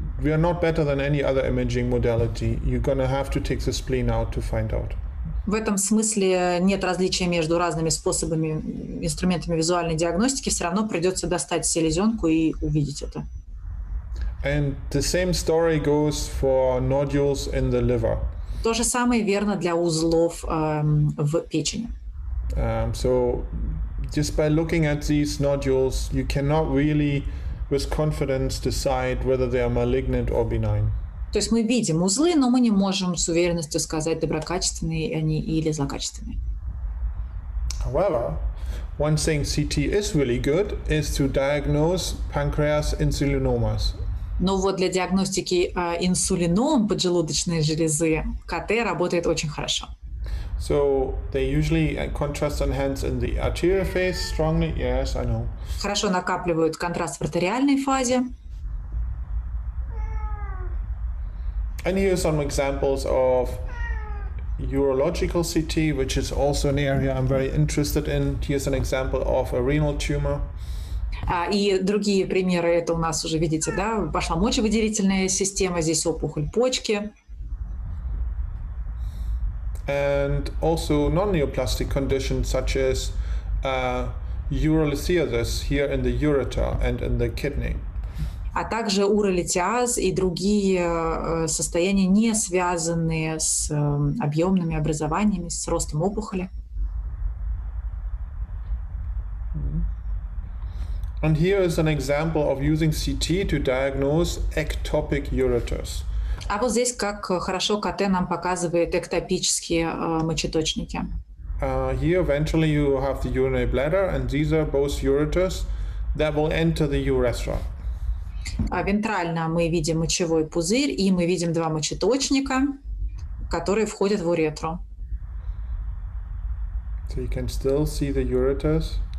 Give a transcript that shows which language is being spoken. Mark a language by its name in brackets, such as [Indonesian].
[English] We are not better than any other imaging modality. You're gonna have to take the spleen out to find out. [Russian] В этом смысле нет различия между разными способами, инструментами визуальной диагностики. Все равно придется достать селезенку и увидеть это. [English] And the same story goes for nodules in the liver. [Russian] То же самое верно для узлов в печени. [English] So just by looking at these nodules, you cannot really with confidence decide whether they are malignant or benign. [Russian] То есть мы видим узлы, но мы не можем с уверенностью сказать, доброкачественные они или злокачественные. [English] However, one thing CT is really good is to diagnose pancreas insulinomas. [Russian] Но вот для диагностики инсулином поджелудочной железы КТ работает очень хорошо. [English] So they usually contrast enhance in the arterial phase strongly. Yes, I know. [Russian] Хорошо накапливают контраст в артериальной фазе. [English] And here are some examples of urological CT, which is also an area I'm very interested in. Here's an example of a renal tumor. [Russian] И другие примеры, это у нас уже, видите, да, пошла мочевыделительная система, здесь опухоль почки. [English] And also non-neoplastic conditions, such as urolithiasis here in the ureter and in the kidney. [Russian] А также уролитиаз и другие состояния, не связанные с объемными образованиями, с ростом опухоли. [English] And here is an example of using CT to diagnose ectopic ureters. [Russian] А вот здесь как хорошо КТ нам показывает эктопические мочеточники. [English] Here eventually you have the urinary bladder and these are both ureters that will enter the urethra. [Russian] Вентрально мы видим мочевой пузырь и мы видим два мочеточника, которые входят в уретру. [English] So you can still see the ureters.